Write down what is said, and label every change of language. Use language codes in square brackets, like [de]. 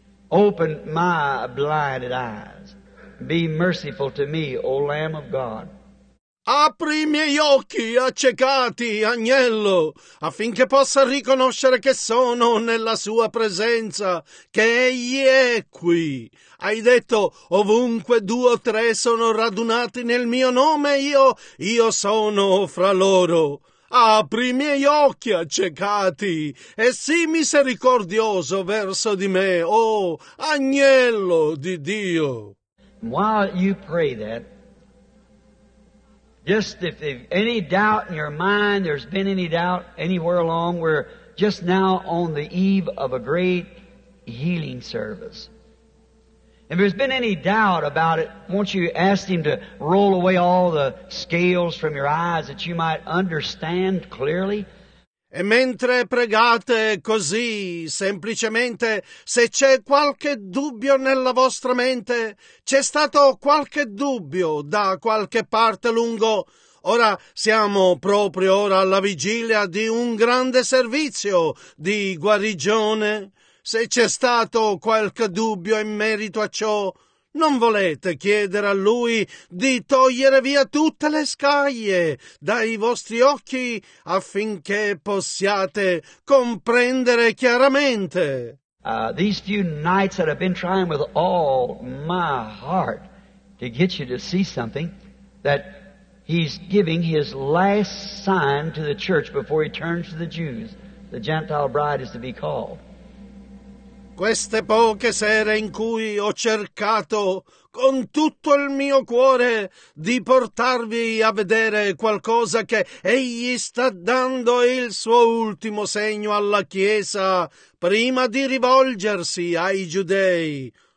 [en] Open my blinded eyes. Be merciful to me, O Lamb of God. [it] Apri i miei occhi accecati, agnello, affinché possa riconoscere che sono nella sua presenza, che egli è qui. Hai detto, ovunque due o tre sono radunati nel mio nome, io sono fra loro. Apri i miei occhi accecati e sii misericordioso verso di me, oh agnello di Dio. [en] While you pray that, just if any doubt in your mind, there's been any doubt anywhere along, we're just now on the eve of a great healing service. If there's been any doubt about it, won't you ask him to roll away all the scales from your eyes that you might understand clearly? [it] E mentre pregate così, semplicemente, se c'è qualche dubbio nella vostra mente, c'è stato qualche dubbio da qualche parte lungo, Ora siamo proprio ora alla vigilia di un grande servizio di guarigione. Se c'è stato qualche dubbio in merito a ciò, non volete chiedere a lui di togliere via tutte le scaglie dai vostri occhi affinché possiate comprendere chiaramente? [en] These few nights that I've been trying with all my heart to get you to see something, that he's giving his last sign to the church before he turns to the Jews, the Gentile bride is to be called. [it] Queste poche sere in cui ho cercato con tutto il mio cuore di portarvi a vedere qualcosa che egli sta dando il suo ultimo segno alla Chiesa prima di rivolgersi ai giudei.